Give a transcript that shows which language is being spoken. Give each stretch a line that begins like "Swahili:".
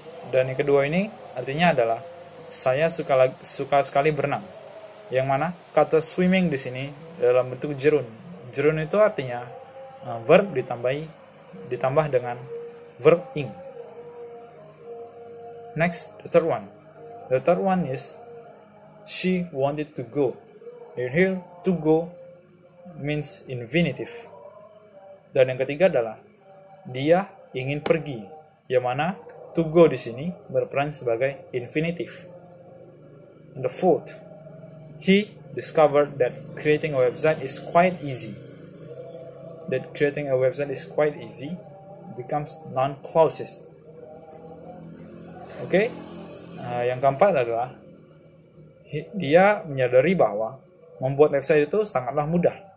Indonesian: Dan yang kedua ini artinya adalah saya suka sekali berenang. Yang mana kata swimming di sini dalam bentuk Jerun. Jerun itu artinya verb ditambah dengan verb ing.
English: Next, the third one. The third one is she wanted to go. In here, to go means infinitive.
Indonesian: Dan yang ketiga adalah dia ingin pergi. Yang mana to go di sini berperan sebagai infinitive.
English: And the fourth, he discovered that creating a website is quite easy. That creating a website is quite easy becomes noun clauses.
Indonesian: Okay, yang keempat adalah dia menyadari bahwa membuat website itu sangatlah mudah.